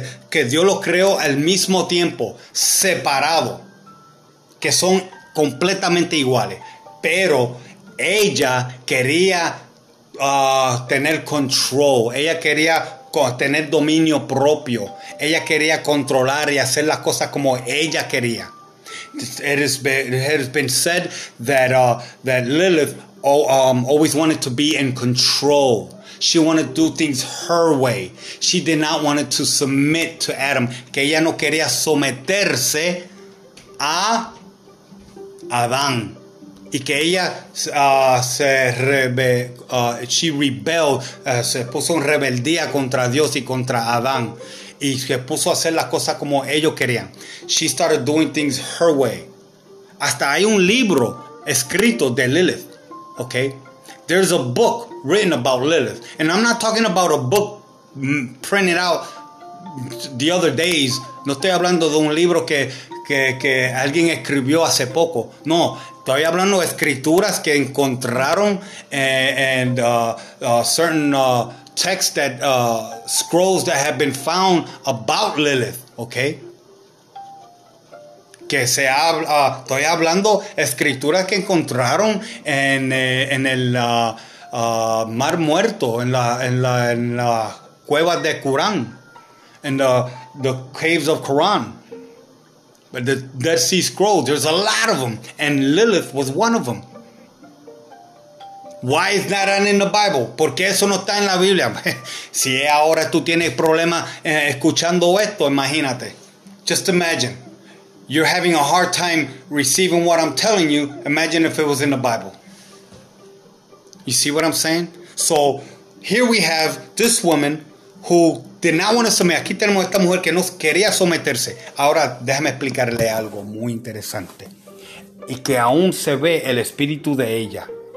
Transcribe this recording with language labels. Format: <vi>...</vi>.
<es>Que Dios lo creó al mismo tiempo, separado, que son completamente iguales. Pero ella quería tener control, ella quería tener dominio propio, ella quería controlar y hacer las cosas como ella quería.</es> <en>It has been said that Lilith always wanted to be in control. She wanted to do things her way. She did not want to submit to Adam.</en> <es>Que ella no quería someterse a Adán. Y que ella se puso en rebeldía contra Dios y contra Adán. Y se puso a hacer las cosas como ellos querían.</es> <en>She started doing things her way.</en> <es>Hasta hay un libro escrito de Lilith.</es> <en>Okay? There's a book written about Lilith. And I'm not talking about a book printed out the other days.</en> <es>No estoy hablando de un libro que alguien escribió hace poco. No. Estoy hablando de escrituras que encontraron</es> <en>scrolls that have been found about Lilith,</en> <es>okay? Que se habla, estoy hablando de escrituras que encontraron en el Mar Muerto, en la cueva de Qumran, en</es> <en>the caves of Qumran. But the Dead Sea Scrolls, there's a lot of them. And Lilith was one of them. Why is that in the Bible?</en> <es>¿Por qué eso no está en la Biblia? Si ahora tú tienes problemas escuchando esto, imagínate.</es> <en>Just imagine. You're having a hard time receiving what I'm telling you. Imagine if it was in the Bible. You see what I'm saying? So here we have this woman who did not want to submit.</en> <es>Aquí tenemos esta mujer que no quería someterse. Ahora déjame explicarle algo muy interesante. Y que aún se ve el espíritu de ella.</es>